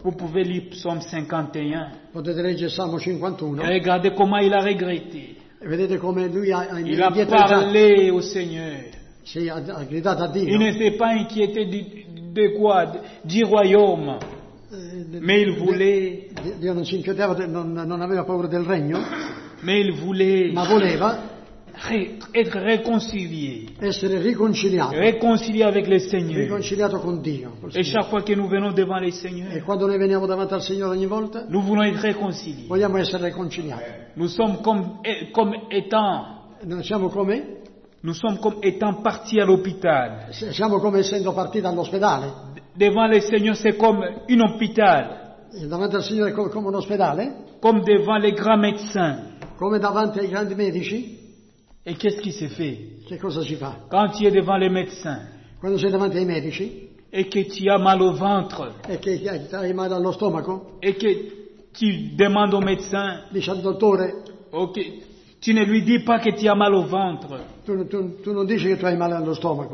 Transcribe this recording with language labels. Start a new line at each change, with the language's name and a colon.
French: Vous pouvez lire Psalm 51.
Italian: Potete leggere Salmo 51.
French: Et regardez comment il a regretté.
Italian: E vedete come lui ha indietreggiato.
French: Il a parlé au Seigneur.
Italian: Si, ha gridato a Dio.
French: Il ne s'est pas inquiété de quoi, du royaume. Mais il voulait.
Italian: Dio non si inquietava, non aveva paura del regno.
French: Mais il voulait.
Italian: Ma voleva.
French: Être réconcilié.
Italian: Essere riconciliato.
French: Réconcilié avec le Seigneur.
Italian: Riconciliato con Dio.
French: Et chaque fois que nous venons devant le Seigneur.
Italian: E quando noi veniamo davanti al Signore ogni volta.
French: Nous voulons être réconciliés.
Italian: Vogliamo essere riconciliati.
French: Nous sommes comme étant.
Italian: Non siamo come?
French: Nous sommes comme étant partis à l'hôpital.
Italian: Siamo come essendo partiti dall'ospedale.
French: Devant le Seigneur, c'est comme un hôpital.
Italian: Davanti al Signore è come un ospedale.
French: Comme devant les grands médecins.
Italian: Come davanti ai grandi medici.
French: Et qu'est-ce qui se fait?
Italian: Che cosa si fa?
French: Quand tu es devant les médecins.
Italian: Quando sei davanti ai medici.
French: Et que tu as mal au ventre.
Italian: E che hai mal allo stomaco.
French: Et que tu demandes au médecin.
Italian: Dici al dottore. Ok.
French: Tu ne lui dis pas que tu as mal au ventre.
Italian: Tu non dici che tu hai male allo stomaco.